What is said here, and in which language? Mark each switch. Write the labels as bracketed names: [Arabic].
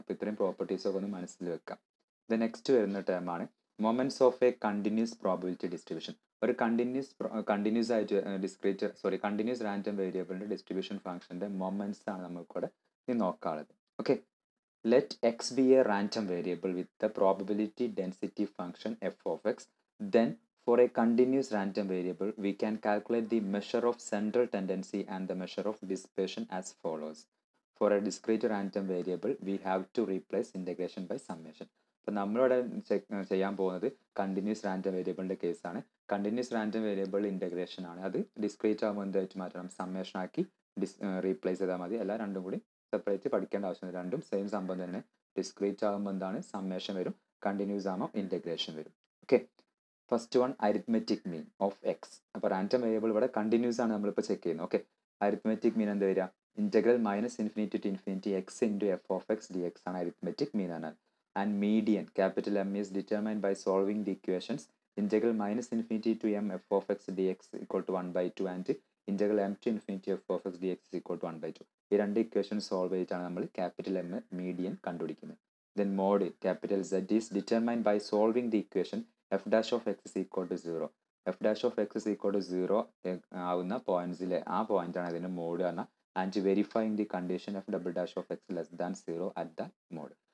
[Malayalam] അപ്പോൾ ഇത്രയും പ്രോപ്പർട്ടീസ് ഒക്കെ ഒന്ന് മനസ്സിൽ വെക്കാം. ദ നെക്സ്റ്റ് വരുന്ന ടേമാണ് [English] Moments of a continuous probability distribution. [Malayalam] ഒരു കണ്ടിന്യൂസ് ആയിട്ട് discrete sorry continuous random വേരിയബിളിൻ്റെ distribution ഫംഗ്ഷൻ്റെ moments ആണ് നമുക്കിവിടെ ഇനി നോക്കാനുള്ളത്. [English] Okay, let x be a random variable with the probability density function f of x. Then For a continuous random variable, we can calculate the measure of central tendency and the measure of dispersion as follows. For a discrete random variable, we have to replace integration by summation. [Malayalam] അപ്പൊ നമ്മളിവിടെ ചെയ്യാൻ പോകുന്നത് continuous random വേരിയബിളിന്റെ case ആണ്. Continuous random variable integration ആണ്. അത് discrete ആകുമ്പോൾ എന്തായിട്ട് മാറ്റണം, സമ്മേഷൻ ആക്കി റീപ്ലേസ് ചെയ്താൽ മതി. എല്ലാം രണ്ടും കൂടി സെപ്പറേറ്റ് പഠിക്കേണ്ട ആവശ്യമില്ല. രണ്ടും സെയിം സംഭവം തന്നെ. ഡിസ്ക്രീറ്റ് ആകുമ്പോൾ എന്താണ്, സമ്മേഷൻ വരും, കണ്ടിന്യൂസ് ആകുമ്പോൾ ഇന്റഗ്രേഷൻ വരും. Okay, first one arithmetic mean of X. അപ്പൊ റാൻഡം വേരിയബിൾ ഇവിടെ കണ്ടിന്യൂസ് ആണ് നമ്മളിപ്പോൾ ചെക്ക് ചെയ്യുന്നത്. ഓക്കെ, അരിത്മെറ്റിക് മീൻ എന്ത് വരിക, [English] integral minus infinity to infinity x into f of x d x [Malayalam] ആണ് അരിത്മെറ്റിക് മീൻ എന്നാൽ. [English] And median, capital M is determined by solving the equations. Integral minus infinity to M f of x dx equal to 1 by 2 and integral M to infinity f of x dx is equal to 1 by 2. [Malayalam] ഈ രണ്ട് equations solve ചെയ്തിട്ടാണ് നമ്മൾ capital M median കണ്ടുപിടിക്കുന്നത്. [English] Then mode capital Z is determined by solving the equation f dash of x equal to zero. [Malayalam] F dash of X equal to zero ആവുന്ന പോയിന്റ്സിലെ ആ point ആണ് ഇതിന് mode എന്ന. [English] And verifying the condition f double dash of x less than zero at the mode.